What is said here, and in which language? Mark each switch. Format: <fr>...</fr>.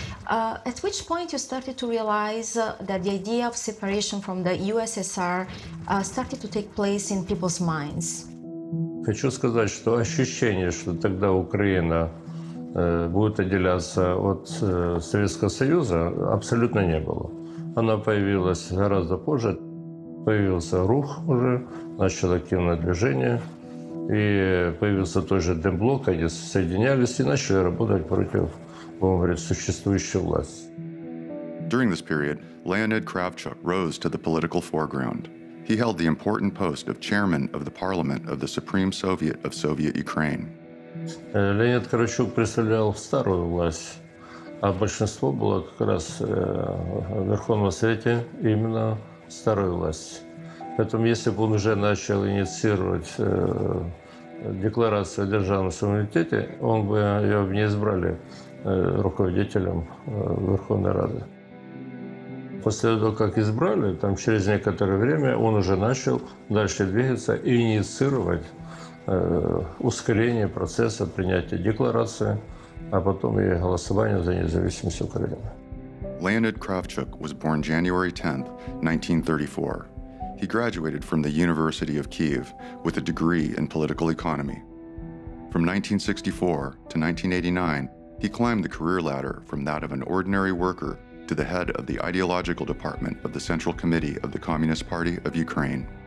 <en>At which point you started to realize that the idea of separation from the USSR started to take place in people's minds?</en> <uk>Хочу сказати, що ощущение, що тоді Україна буде відділятися від Совєтського Союзу, абсолютно не було. Вона з'явилася гораздо позже. З'явився рух вже, почало активне движение.</uk> <ru>И появился тот же Демблок, они соединялись и начали работать против, будем говорить, существующей власти.</ru> <en>During this period, Leonid Kravchuk rose to the political foreground. He held the important post of chairman of the parliament of the Supreme Soviet of Soviet Ukraine.</en> <ru>Леонид Кравчук представлял старую власть, а большинство было как раз в Верховном Совете именно старой власти. Поэтому если бы он уже начал инициировать декларацию о державном суверенитете, он бы его не избрали руководителем Верховной Рады. После того, как избрали, там через некоторое время он уже начал дальше двигаться и инициировать ускорение процесса принятия декларации, а потом и голосование за независимость Украины.</ru> <en>Леонид Кравчук was born January 10, 1934. He graduated from the University of Kyiv with a degree in political economy. From 1964 to 1989, he climbed the career ladder from that of an ordinary worker to the head of the ideological department of the Central Committee of the Communist Party of Ukraine.</en>